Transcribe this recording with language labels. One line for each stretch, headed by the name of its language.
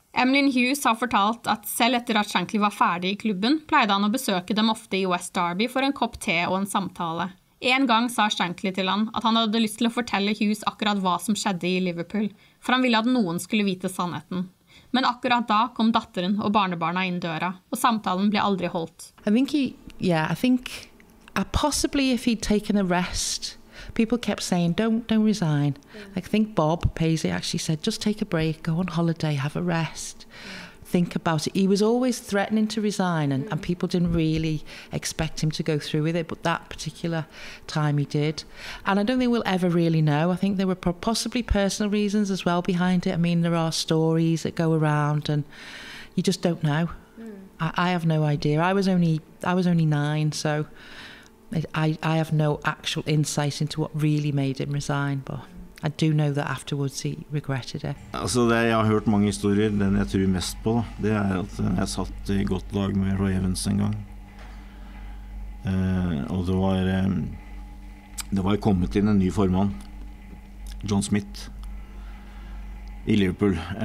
Norwegian: Emlyn Hughes har fortalt at selv etter at Shankly var ferdig i klubben, pleide han å besøke dem ofte i West Derby for en kopp te og en samtale. En gang sa Shankly til han at han hadde lyst til å fortelle Hughes akkurat hva som skjedde i Liverpool, for han ville at noen skulle vite sannheten. Men akkurat da kom datteren og barnebarna inn døra, og samtalen ble aldri holdt.
English: I think he, yeah, I think possibly if he'd taken a rest, people kept saying, don't resign. I think Bob Paisley actually said, just take a break, go on holiday, have a rest, think about it. He was always threatening to resign, and people didn't really expect him to go through with it, but that particular time he did. And I don't think we'll ever really know. I think there were possibly personal reasons as well behind it. I mean, there are stories that go around, and you just don't know. I have no idea. I was only 9, so... I have no actual insight into what really made him resign, but I do know that afterwards he regretted it.
Norwegian: Altså det jeg har hørt mange historier, den jeg tror mest på, det at jeg satt i godt lag med Roy Evans en gang. Og det var kommet inn en ny formann, John Smith, i Liverpool.